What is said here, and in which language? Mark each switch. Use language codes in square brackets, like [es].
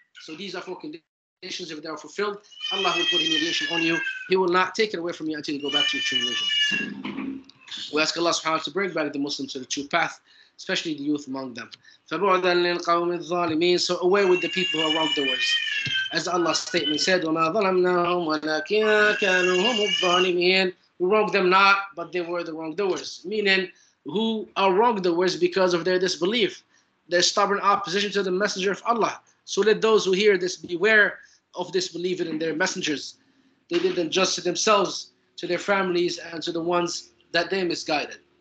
[en] So these are four conditions. If they are fulfilled, Allah will put humiliation on you. He will not take it away from you until you go back to your true religion. We ask Allah subhanahu wa ta'ala to bring back the Muslims to the true path, especially the youth among them. [ar] فَبُعْدًا لِلْقَوْمِ الظَّالِمِينَ. [en] So away with the people who are wrong doers. As Allah's statement said, [ar] وَمَا ظَلَمْنَاهُمْ وَلَكِنَّ كَانُوا هُمُ الظَّالِمِينَ. [en] We wronged them not, but they were the wrongdoers. Meaning, who are wrongdoers because of their disbelief, their stubborn opposition to the messenger of Allah. So let those who hear this beware of disbelieving in their messengers. They did them just to themselves, to their families, and to the ones that they misguided.